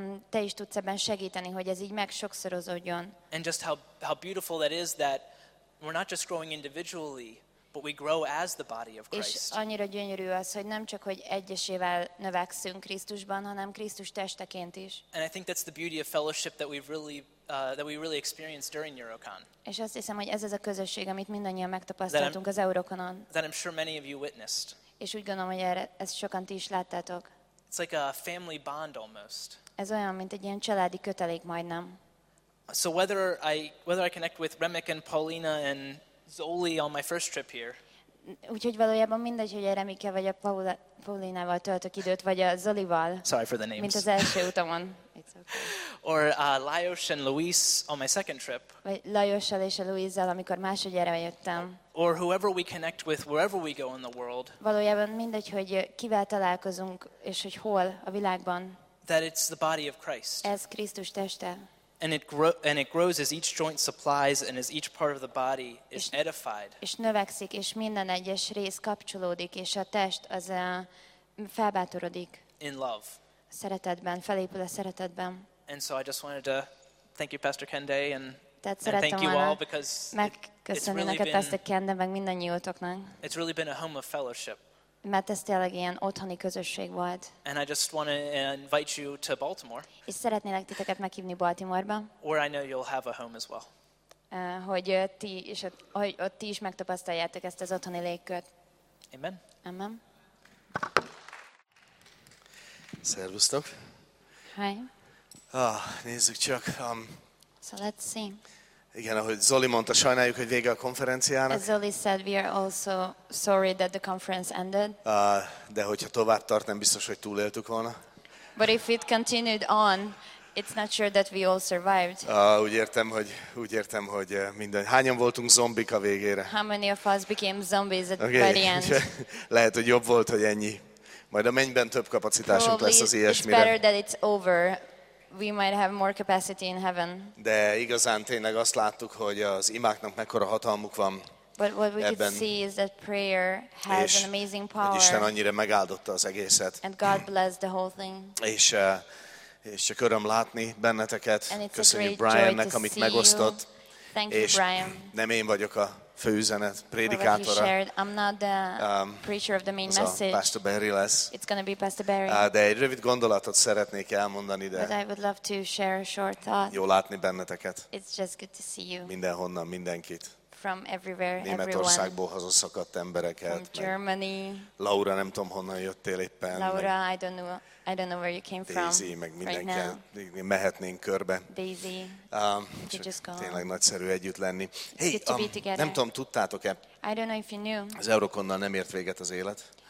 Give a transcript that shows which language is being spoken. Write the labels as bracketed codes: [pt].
[hu] Te is tudsz ebben segíteni, hogy ez így megsokszorozódjon. [en] And just how beautiful that is, that we're not just growing individually, but we grow as the body of Christ. [hu] És annyira gyönyörű az, hogy nem csak hogy egyesével növekszünk Krisztusban, hanem Krisztus testeként is. [en] And I think that's the beauty of fellowship that we really experienced during Eurocon. [hu] És azt hiszem, hogy ez az a közösség, amit mindannyian megtapasztaltunk az Eurokonon. [en] That I'm sure many of you witnessed. [hu] És úgy gondolom, hogy erre, ezt sokan ti is láttátok. [en] It's like a family bond almost. [hu] Ez olyan, mint egy ilyen családi kötelék majdnem. [en] So whether I connect with Remek and Paulina and Zoli on my first trip here. [hu] Úgyhogy valójában mindegy, hogy a Remike vagy a Paulinával töltök időt, vagy a Zolival. [en] Sorry for the names. [hu] Mint az első utamon. [en] It's okay. Or Lajos and Luis on my second trip. [hu] Vagy Lajossal és a Luizzal, amikor másodjára jöttem. [en] Or whoever we connect with, wherever we go in the world. [hu] Valójában mindegy, hogy kivel találkozunk, és hogy hol a világban. [en] That it's the body of Christ. [hu] Ez Krisztus teste. [en] And it grows as each joint supplies and as each part of the body is edified. [hu] És növekszik, és minden egyes rész kapcsolódik, és a test az felbátorodik. [en] In love. [hu] Szeretetben, felépül a szeretetben. [en] And so I just wanted to thank you, Pastor Kende, and thank you all, because [hu] megköszönöm neked, Pastor Kende, meg mindannyiótoknak. [en] It's really been a home of fellowship. [hu] Mert ez tényleg ilyen otthoni közösség volt. [en] And I just want to invite you to Baltimore. [hu] És szeretnélek titeket meghívni Baltimore-ba. [en] Where I know you'll have a home as well. [hu] Hogy ti is megtapasztaljátok ezt az otthoni légkört. [en] Amen. [hu] Amen. Szervusztok. [en] Hi. [hu] Nézzük csak. [en] So let's see. [hu] Igen, ahogy Zoli mondta, sajnáljuk, hogy vége a konferenciának. [en] As Zoli said, we are also sorry that the conference ended. [hu] De hogyha tovább tart, nem biztos, hogy túléltük volna. But if it continued on, it's not sure that we all survived. Úgy értem, hogy minden. Hányan voltunk zombik a végére? [en] How many of us became zombies by the end? [hu] Lehet, hogy jobb volt, hogy ennyi. Majd a mennyben több kapacitásunk [en] probably [hu] lesz az ilyesmire. [en] It's better that it's over. We might have more capacity in heaven. [hu] De igazán tényleg azt láttuk, hogy az imáknak mekkora hatalmuk van. [en] But what we [hu] ebben [en] could see is that prayer has an amazing power. [hu] És Isten annyira megáldotta az egészet. [en] And God blessed the whole thing. [hu] És csak öröm látni benneteket. [en] And it's [hu] köszönjük [en] a great [hu] Briannek, [en] joy to [hu] amit [en] see [hu] megosztott. [en] You. Thank you, Brian. [hu] Nem én vagyok a főüzenet prédikátora. [en] I'm not the preacher of the main message. [hu] Pastor Barry lesz. [en] It's gonna be Pastor Barry. [hu] De egy rövid gondolatot szeretnék elmondani, de. [en] But I would love to share a short thought. [hu] Jó látni benneteket. [en] It's just good to see you. [hu] Mindenhonnan, mindenkit. [en] From everywhere, everyone. [hu] Németországból hazaszakadt embereket. [en] From Germany. [hu] Laura, nem tudom, honnan jöttél éppen. [en] Laura, I don't know where you came from. [hu] Daisy, meg mindenki. Mehetnénk körbe. [en] Daisy, [hu] tényleg nagyszerű együtt lenni. [en] Hey, [hu] nem tudom, tudtátok-e? [en] I don't know if you knew. [hu] Az Eurokonnal nem ért véget az élet.